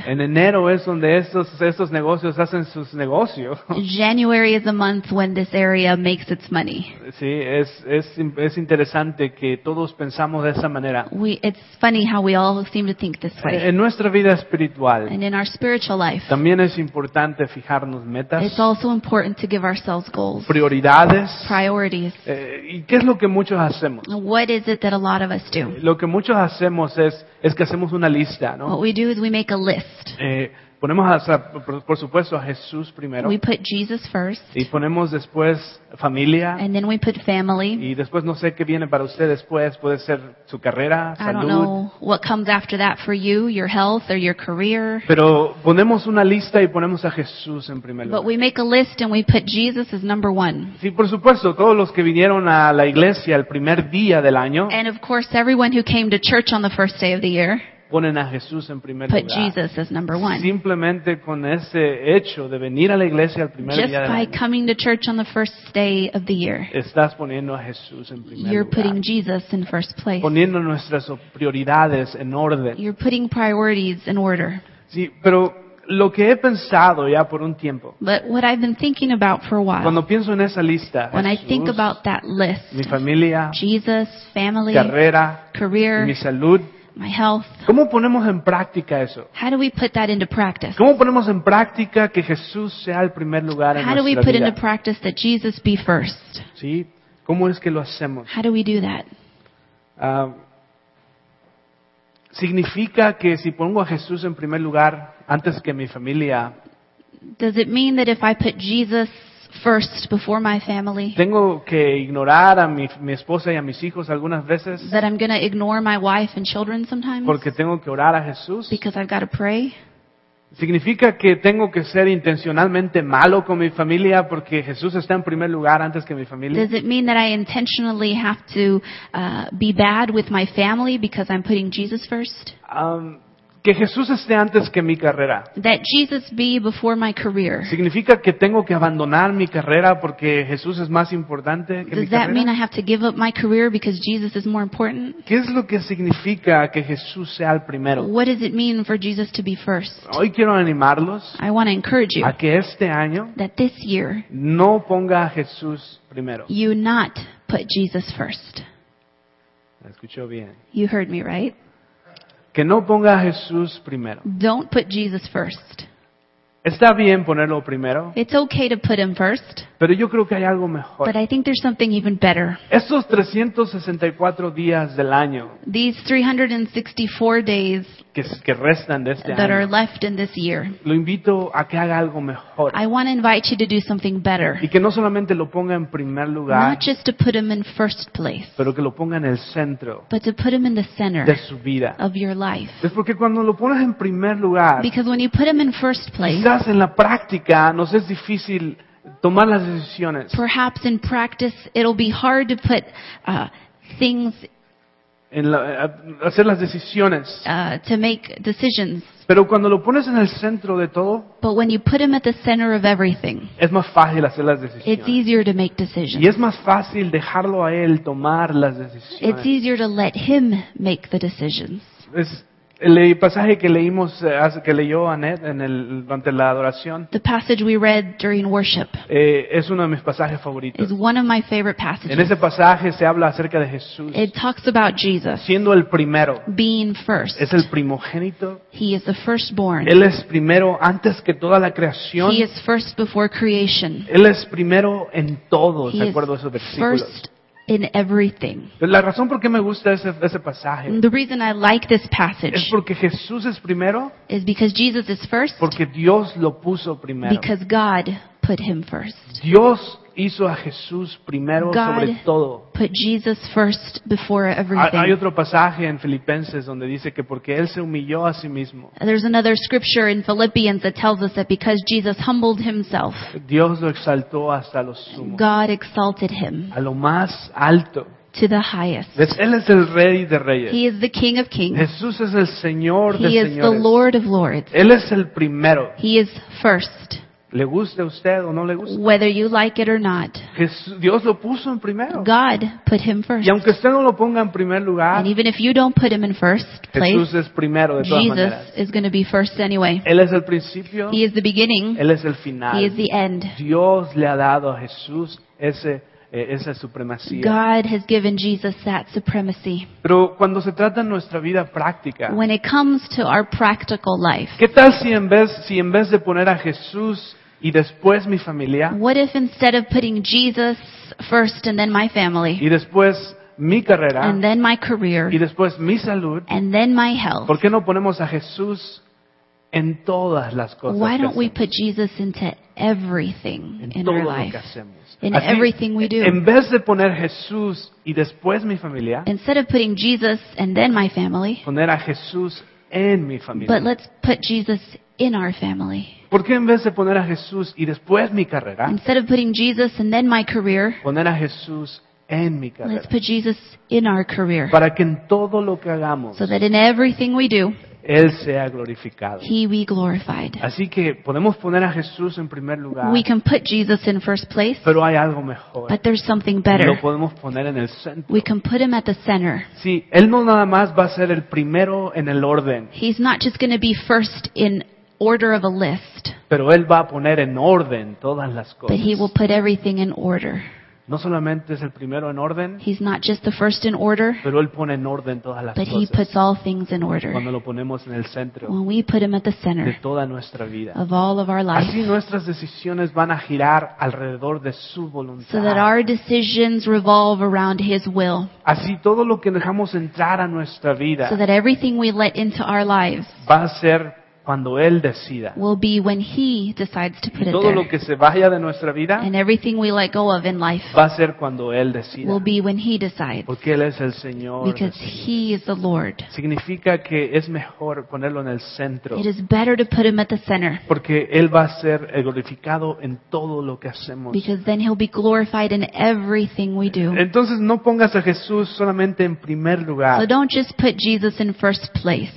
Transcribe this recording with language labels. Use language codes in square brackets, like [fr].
[es] En enero es donde estos negocios hacen sus negocios. [en] January is a month when this area makes its money. [es] Sí, es interesante que todos pensamos de esa manera. [en] It's funny how we all seem to think this way. [es] En nuestra vida espiritual. [en] And in our spiritual life. [es] También es importante fijarnos metas. [en] It's also important to give ourselves goals. [es] Prioridades. [en] Priorities. [es] ¿Y qué es lo que muchos hacemos? [en] What is it that a lot of us do? [es] Lo que muchos hacemos es que hacemos una lista, ¿no? [en] What we do is we make a list. [es] Ponemos por supuesto a Jesús primero. [en] We put Jesus first. [es] Y ponemos después familia. [en] And then we put family. [es] Y después no sé qué viene para usted después, puede ser su carrera, salud. [en] I don't know what comes after that for you, your health or your career. [es] Pero ponemos una lista y ponemos a Jesús en primer lugar. [en] But we make a list and we put Jesus as number one. [es] Sí, por supuesto, todos los que vinieron a la iglesia el primer día del año. [en] And of course everyone who came to church on the first day of the year. [es] Ponen a Jesús en primer [en] Put [es] lugar. [en] Put Jesus as number one. [es] Simplemente con ese hecho de venir a la iglesia al primer [en] Just [es] día del año. [en] Just by coming to church on the first day of the year. [es] Estás poniendo a Jesús en primer [en] You're [es] lugar. [en] You're putting Jesus in first place. [es] Poniendo nuestras prioridades en orden. [en] You're putting priorities in order. [es] Sí, pero lo que he pensado ya por un tiempo. [en] But what I've been thinking about for a while. [es] Cuando pienso en esa lista. [en] When [es] Jesús, [en] I think about that list. [es] Mi familia. [en] Jesus, family. [es] Carrera. [en] Career. [es] Mi salud. [en] My health. [es] ¿Cómo ponemos en práctica eso? [en] How do we put that into practice? [es] ¿Cómo ponemos en práctica que Jesús sea el primer lugar en [en] How [es] nuestra [en] do we put [es] vida? [en] Into practice that Jesus be first? [es] ¿Sí? ¿Cómo es que lo hacemos? [en] How do we do that? [es] ¿Significa que si pongo a Jesús en primer lugar antes que mi familia? [en] Does it mean that if I put Jesus first before my family. [es] Tengo que ignorar a mi esposa y a mis hijos algunas veces. [en] That I'm going to ignore my wife and children sometimes. [es] Porque tengo que orar a Jesús. [en] Because I've got to pray. [es] ¿Significa que tengo que ser intencionalmente malo con mi familia porque Jesús está en primer lugar antes que mi familia? [en] Does it mean that I intentionally have to be bad with my family because I'm putting Jesus first? [es] Que Jesús esté antes que mi carrera. [en] That Jesus be before my career. [es] ¿Significa que tengo que abandonar mi carrera porque Jesús es más importante que [en] Does [es] mi [en] that [es] carrera? [en] Mean I have to give up my career because Jesus is more important? [es] ¿Qué es lo que significa que Jesús sea el primero? [en] What does it mean for Jesus to be first? [es] Hoy quiero animarlos. [en] I want to encourage you. [es] A que este año. [en] That this year. [es] No ponga a Jesús primero. [en] You not put Jesus first. [es] ¿Me escuchó bien? [en] You heard me right. [es] Que no ponga a Jesús primero. [en] Don't put Jesus first. [es] Está bien ponerlo primero. [en] It's okay to put him first. [es] Pero yo creo que hay algo mejor. [en] But I think there's something even better. [es] Estos 364 días del año. [en] These 364 days. [es] Que restan de este año. [en] That are left in this year. [es] Lo invito a que haga algo mejor. [en] I want to invite you to do something better. [es] Y que no solamente lo ponga en primer lugar. [en] Not just to put him in first place. [es] Pero que lo ponga en el centro. [en] But to put him in the center. [es] De su vida. [en] Of your life. [es] Es porque cuando lo pones en primer lugar. [en] Because when you put him in first place. [es] Quizás en la práctica nos es difícil tomar las decisiones. [en] Perhaps in practice it'll be hard to put things [es] en hacer las decisiones. [en] To make decisions. [es] Pero cuando lo pones en el centro de todo, [en] But when you put him at the center of everything, [es] es más fácil hacer las decisiones. [en] It's easier to make decisions. [es] Y es más fácil dejarlo a él tomar las decisiones. [en] It's easier to let him make the decisions. [es] Es El pasaje que leímos, que leyó Annette en el, durante la adoración, [en] the passage we read during worship, [es] es uno de mis pasajes favoritos. [en] Is one of my favorite passages. [es] En ese pasaje se habla acerca de Jesús. [en] It talks about Jesus. [es] Siendo el primero. [en] Being first. [es] Es el primogénito. [en] He is the firstborn. [es] Él es primero antes que toda la creación. [en] He is first before creation. [es] Él es primero en todo, de acuerdo a esos versículos. [en] First in everything. [es] La razón por qué me gusta ese pasaje. [en] The reason I like this passage. [es] Es porque Jesús es primero. [en] Is because Jesus is first. [es] Porque Dios lo puso primero. [en] Because God put him first. [es] Dios hizo a Jesús primero [en] God [es] sobre todo. [en] Put Jesus first before everything. [es] Hay otro pasaje en Filipenses donde dice que porque él se humilló a sí mismo. [en] There's another scripture in Philippians that tells us that because Jesus humbled himself. [es] Dios lo exaltó hasta lo sumo. [en] God exalted him. [es] A lo más alto. [en] To the highest. [es] Él es el rey de reyes. [en] He is the King of Kings. [es] Jesús es el Señor de señores. [en] He is the Lord of Lords. [es] Él es el primero. [en] He is first. [es] Le guste a usted o no le guste. [en] Whether you like it or not. [es] Dios lo puso en primero. [en] God put him first. [es] Y aunque usted no lo ponga en primer lugar. [en] And even if you don't put him in first place. [es] Jesús es primero de todas [en] Jesus [es] maneras. [en] Jesus is going to be first anyway. [es] Él es el principio. [en] He is the beginning. [es] Él es el final. [en] He is the end. [es] Dios le ha dado a Jesús esa supremacía. [en] God has given Jesus that supremacy. [es] Pero cuando se trata de nuestra vida práctica. [en] When it comes to our practical life. [es] ¿Qué tal si en vez de poner a Jesús y después mi familia? [en] What if instead of putting Jesus first and then my family? [es] Y después mi carrera. [en] And then my career. [es] Y después mi salud. [en] And then my health. [es] ¿Por qué no ponemos a Jesús en todas las cosas? [en] Why don't we put Jesus into everything in our life? In [es] así, [en] everything we do. [es] En vez de poner Jesús y después mi familia. [en] Instead of putting Jesus and then my family. [es] Poner a Jesús en mi familia. [en] But let's put Jesus in our family. [es] ¿Por qué en vez de poner a Jesús y después mi carrera? [en] Instead of putting Jesus and then my career. [es] Poner a Jesús en mi carrera. [en] Let's put Jesus in our career. [es] Para que en todo lo que hagamos. [en] So that in everything we do. [es] Él sea glorificado. [en] He be glorified. [es] Así que podemos poner a Jesús en primer lugar. [en] We can put Jesus in first place. [es] Pero hay algo mejor. [en] But there's something better. [es] Lo podemos poner en el centro. [en] We can put him at the center. [es] Sí, él no nada más va a ser el primero en el orden. [en] He's not just going to be first in order of a list. [es] Pero él va a poner en orden todas las cosas. [en] But he will put everything in order. [es] No solamente es el primero en orden. [en] He's not just the first in order. [es] Pero él pone en orden todas las cosas. [en] But he puts all things in order. [es] Cuando lo ponemos en el centro. [en] When we put him at the center. [es] De toda nuestra vida. [en] Of all of our life. [es] Así nuestras decisiones van a girar alrededor de su voluntad. [en] So that our decisions revolve around his will. [es] Así todo lo que dejamos entrar a nuestra vida. [en] So that everything we let into our lives. [es] Va a ser cuando él decida. [en] Will be when he decides to put it there. [es] Todo lo que se vaya de nuestra vida. [en] And everything we let go of in life. [es] Va a ser cuando él decida. [en] Will be when he decides. [es] Porque él es el Señor. [en] Because he is the Lord. [es] Significa que es mejor ponerlo en el centro. [en] It is better to put him at the center. [es] Porque él va a ser glorificado en todo lo que hacemos. [en] Because then he'll be glorified in everything we do. [es] Entonces no pongas a Jesús solamente en primer lugar. [en] So don't just put Jesus in first place.